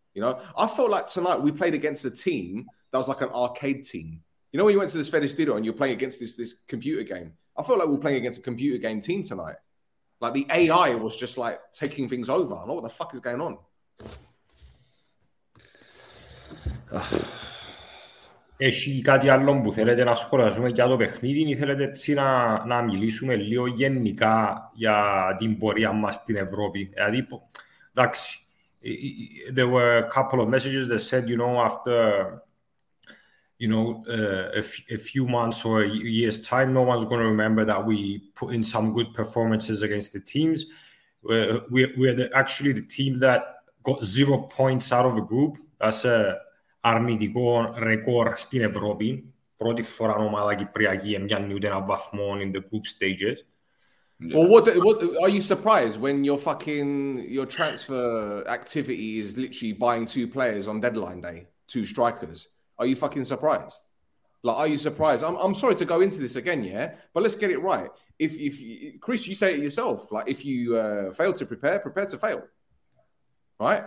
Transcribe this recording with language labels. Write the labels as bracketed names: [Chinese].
[English] You know, I felt like tonight we played against a team that was like an arcade team. You know, when you went to the Sferestiro and you're playing against this computer game. I felt like we were playing against a computer game team tonight. Like, the AI was just, like, taking things over. I don't know what the fuck is going on. [Greek] Έχει κάτι άλλο που θέλετε να σχολιάσουμε για το παιχνίδι ή θέλετε έτσι να μιλήσουμε λίγο γενικά για την πορεία μας στην Ευρώπη. Δηλαδή, εντάξει, [English] there were a couple of messages that said, you know, after, you know, a few months or a year's time, no one's going to remember that we put in some good performances against the teams. We're actually the team that got 0 points out of a group. That's a [Greek] αρνητικό [English] record [Greek] στην Ευρώπη. Πρώτη φορά ομάδα Κυπριακή έμπιανε ούτε ένα βαθμό [English] in the group stages. Yeah. Well, what are you surprised when your transfer activity is literally buying two players on deadline day, two strikers? Are you fucking surprised? Like, are you surprised? I'm sorry to go into this again, yeah, but let's get it right. If Chris, you say it yourself, like, if you fail to prepare, prepare to fail. Right?